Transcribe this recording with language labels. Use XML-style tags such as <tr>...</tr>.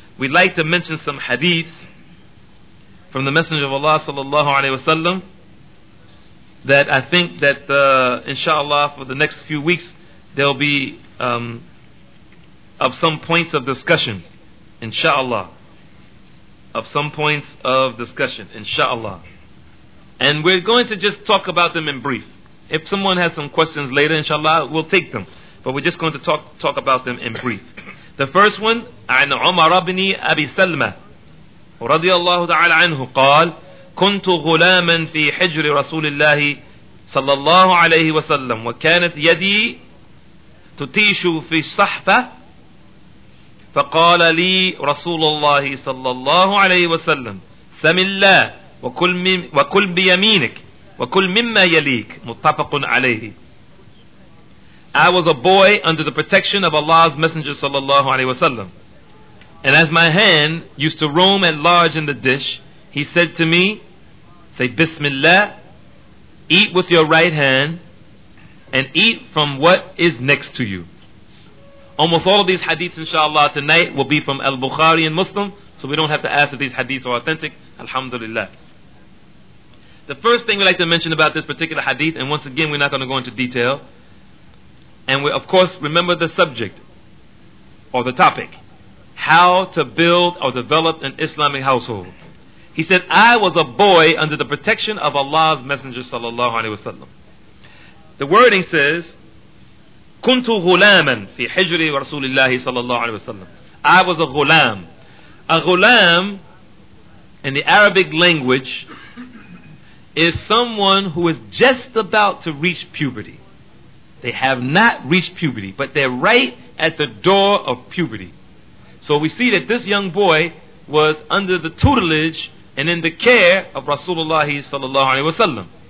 <en>We'd like to mention some hadiths from the Messenger of Allah, sallallahu alayhi wasallam, that I think that, inshallah, for the next few weeks, there'll be of some points of discussion, inshallah. Of some points of discussion, inshallah. And we're going to just talk about them in brief. If someone has some questions later, inshallah, we'll take them. But we're just going to talk about them in brief. The first one,</en> <ar>عن عمر بن أبي سلمة رضي الله تعالى عنه قال كنت غلاما في حجر رسول الله صلى الله عليه وسلم وكانت يدي تتيش في الصحفة فقال لي رسول الله صلى الله عليه وسلم سم الله وكل بيمينك وكل مما يليك متفق عليه.</ar> <en>I was a boy under the protection of Allah's Messenger sallallahu alayhi wasallam, and as my hand used to roam at large in the dish, he said to me, say Bismillah, eat with your right hand and eat from what is next to you. Almost all of these hadiths, inshallah, tonight will be from Al-Bukhari and Muslim, so we don't have to ask if these hadiths are authentic. Alhamdulillah. The first thing we'd like to mention about this particular hadith, and once again we're not going to go into detail, and we, of course, remember the subject or the topic, how to build or develop an Islamic household. He said, I was a boy under the protection of Allah's Messenger sallallahu alayhi wasallam. The wording says,</en> <ar>كنت غلاما في حجر رسول الله صلى الله عليه وسلم.</ar> <en>I was a غلام. A غلام in the Arabic language is someone who is just about to reach puberty. They have not reached puberty, but they're right at the door of puberty. So we see that this young boy was under the tutelage and in the care of Rasulullah sallallahu alayhi wasallam.</en>